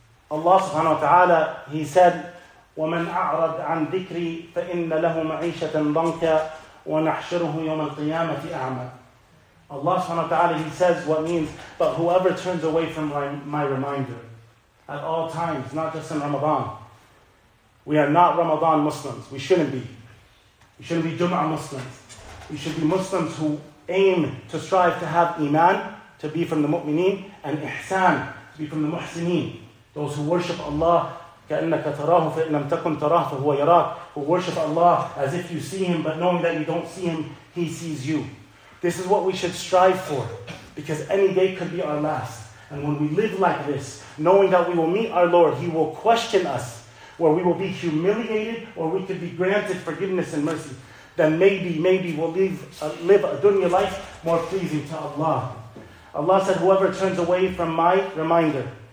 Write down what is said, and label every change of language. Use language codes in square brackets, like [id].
[en] Allah subhanahu wa ta'ala, he said, [ar] وَمَنْ أَعْرَضْ عَنْ ذِكْرِي فَإِنَّ لَهُ مَعِيشَةً ضَنْكَ وَنَحْشُرُهُ يَوْمَ الْقِيَامَةِ أَعْمَى. [en] Allah subhanahu wa ta'ala, he says what means, but whoever turns away from my reminder at all times, not just in Ramadan, we are not Ramadan Muslims. We shouldn't be. We shouldn't be Jum'ah Muslims. We should be Muslims who aim to strive to have Iman, to be from the Mu'mineen, and Ihsan, to be from the Muhsineen. Those who worship Allah, [ar] كَأَنَّكَ تَرَاهُ فَإِنْ لَمْ تَكُنْ تَرَاهُ فَهُوَ يَرَاكُ. [en] Who worship Allah as if you see Him, but knowing that you don't see Him, He sees you. This is what we should strive for, because any day could be our last. And when we live like this, knowing that we will meet our Lord, He will question us, where we will be humiliated, or we could be granted forgiveness and mercy, then maybe we'll live a dunya life more pleasing to Allah. Allah said, whoever turns away from my reminder,